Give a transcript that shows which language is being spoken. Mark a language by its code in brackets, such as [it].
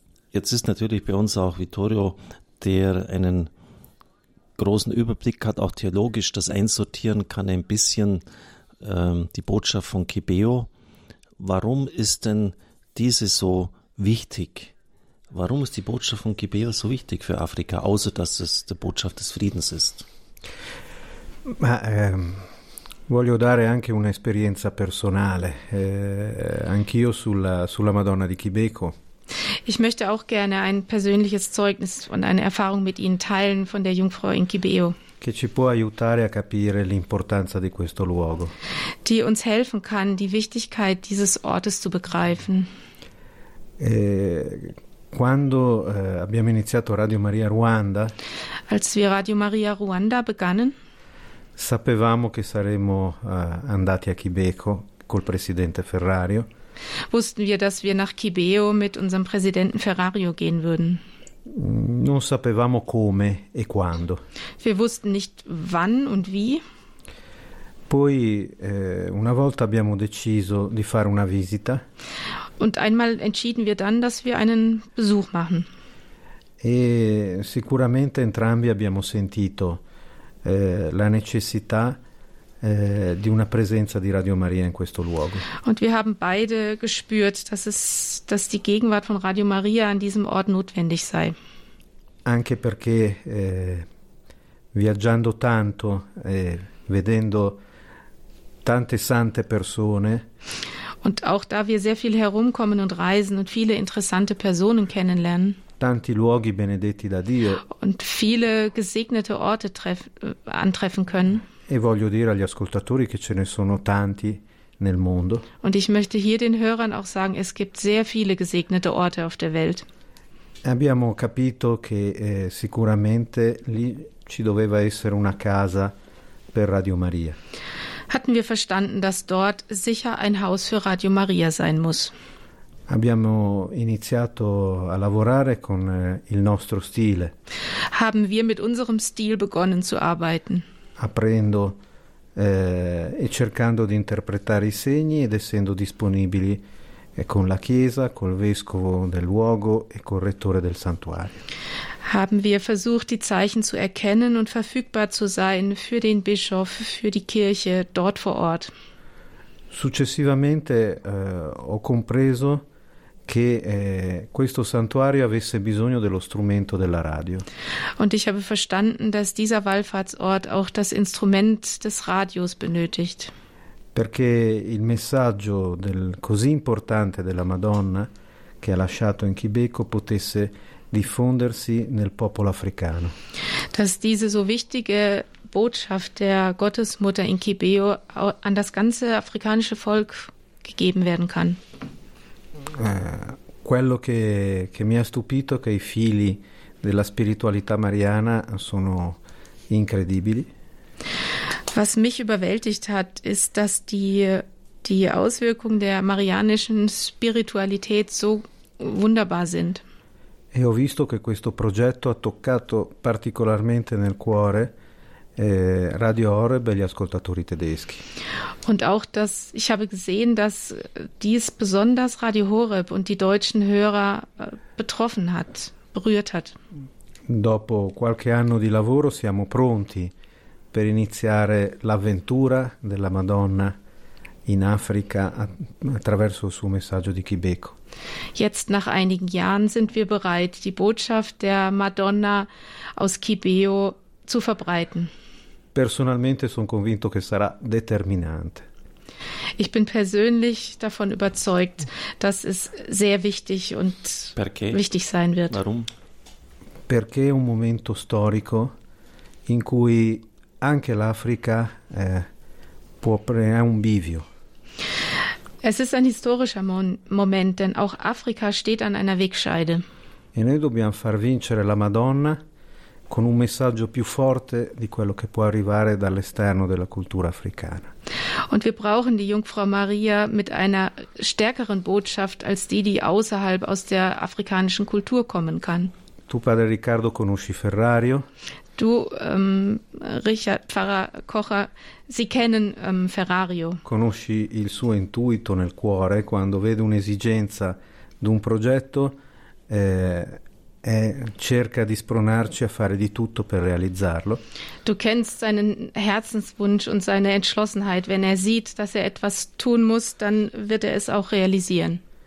[de] Jetzt ist natürlich bei uns auch Vittorio, der einen großen Überblick hat, auch theologisch das einsortieren kann, ein bisschen die Botschaft von Kibeo. Warum ist denn diese so wichtig? Warum ist die Botschaft von Kibeo so wichtig für Afrika, außer dass es die Botschaft des Friedens ist? [it] Ma, voglio dare anche un'esperienza personale. Anch'io sulla Madonna di Kibeo. [de] Ich möchte auch gerne ein persönliches Zeugnis und eine Erfahrung mit Ihnen teilen von der Jungfrau in Kibeo. [it] Che ci può aiutare a capire l'importanza di questo luogo. [de] Die uns helfen kann, die Wichtigkeit dieses Ortes zu begreifen. [it] Quando abbiamo iniziato Radio Maria Ruanda, [de] als wir Radio Maria Ruanda begannen, [it] sapevamo che saremmo andati a Kibeo col presidente Ferrario. [de] Wussten wir, dass wir nach Kibeo mit unserem Präsidenten Ferrario gehen würden. [it] Non sapevamo come e quando. [de] Wir wussten nicht wann und wie. [it] Poi una volta abbiamo deciso di fare una visita. [de] Und einmal entschieden wir dann, dass wir einen Besuch machen. [it] E sicuramente entrambi abbiamo sentito la necessità di una presenza di Radio Maria in questo luogo. [de] Und wir haben beide gespürt, dass die Gegenwart von Radio Maria an diesem Ort notwendig sei. [it] Anche perché viaggiando tanto, vedendo tante sante persone. [de] Und auch da wir sehr viel herumkommen und reisen und viele interessante Personen kennenlernen. [it] Tanti luoghi benedetti da Dio. [de] Und viele gesegnete Orte antreffen können. [it] E voglio dire agli ascoltatori che ce ne sono tanti nel mondo. [de] Und ich möchte hier den Hörern auch sagen, es gibt sehr viele gesegnete Orte auf der Welt. [it] Abbiamo capito che sicuramente lì ci doveva essere una casa per Radio Maria. [de] Hatten wir verstanden, dass dort sicher ein Haus für Radio Maria sein muss. [it] Abbiamo iniziato a lavorare con il nostro stile. [de] Haben wir mit unserem Stil begonnen zu arbeiten. [it] Aprendo e cercando di interpretare i segni ed essendo disponibili con la Chiesa, col Vescovo del luogo e col Rettore del Santuario. [de] Haben wir versucht, die Zeichen zu erkennen und verfügbar zu sein für den Bischof, für die Kirche dort vor Ort. [it] Successivamente ho compreso che questo santuario avesse bisogno dello strumento della radio. [de] Und ich habe verstanden, dass dieser Wallfahrtsort auch das Instrument des Radios benötigt. [it] Perché il messaggio così importante della Madonna che ha lasciato in Kibeo potesse diffondersi nel popolo africano. [de] Dass diese so wichtige Botschaft der Gottesmutter in Kibeo an das ganze afrikanische Volk gegeben werden kann. [it] Quello che mi ha stupito è che i fili della spiritualità mariana sono incredibili. [de] Was mich überwältigt hat, ist, dass die Auswirkungen der marianischen Spiritualität so wunderbar sind. [it] E ho visto che questo progetto ha toccato particolarmente nel cuore Radio Horeb, gli ascoltatori tedeschi. [de] Und auch, dass ich habe gesehen, dass dies besonders Radio Horeb und die deutschen Hörer betroffen hat, berührt hat. [it] Dopo qualche anno di lavoro siamo pronti per iniziare l'avventura della Madonna in Africa attraverso il suo messaggio di Kibeko. [de] Jetzt nach einigen Jahren sind wir bereit, die Botschaft der Madonna aus Kibeo zu verbreiten. [it] Personalmente sono convinto che sarà determinante. [de] Ich bin persönlich davon überzeugt, dass es sehr wichtig und [it] Perché? [de] Wichtig sein wird. Warum? [it] Perché è un momento storico in cui anche l'Africa può prendere un bivio. [de] Es ist ein historischer Moment, denn auch Afrika steht an einer Wegscheide. [it] E noi dobbiamo far vincere la Madonna con un messaggio più forte di quello che può arrivare dall'esterno della cultura africana. [de] Und wir brauchen die Jungfrau Maria mit einer stärkeren Botschaft als die, die außerhalb aus der afrikanischen Kultur kommen kann. [it] Tu, padre Riccardo, conosci Ferrario? [de] Du, Richard, Pfarrer Kocher, Sie kennen Ferrario. [it] Conosci il suo intuito nel cuore quando vede un'esigenza d'un progetto e cerca di spronarci a fare di tutto per realizzarlo. [de] Du kennst seinen Herzenswunsch und seine Entschlossenheit. Wenn er sieht, dass er etwas tun muss, dann wird er es auch realisieren.